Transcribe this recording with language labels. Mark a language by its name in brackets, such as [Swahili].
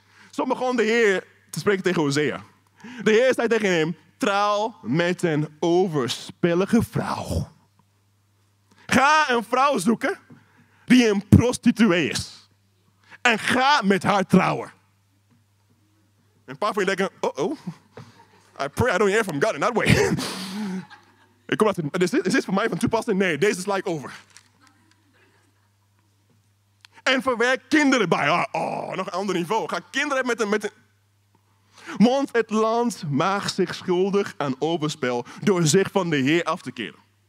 [Dutch] Zo begon de Heer te spreken tegen Hosea. De Heer zei tegen hem, trouw met een overspillige vrouw. Ga een vrouw zoeken die een prostituee is. En ga met haar trouwen. Een paar van je denken, oh. [English] I pray I don't hear from God in that way. [Dutch] Ik kom achter, is dit voor mij van toepassing? Nee, deze is like over. En verwerk kinderen bij. Oh, nog een ander niveau. Ga kinderen met een... Want het land maakt zich schuldig aan overspel door zich van de Heer af te keren.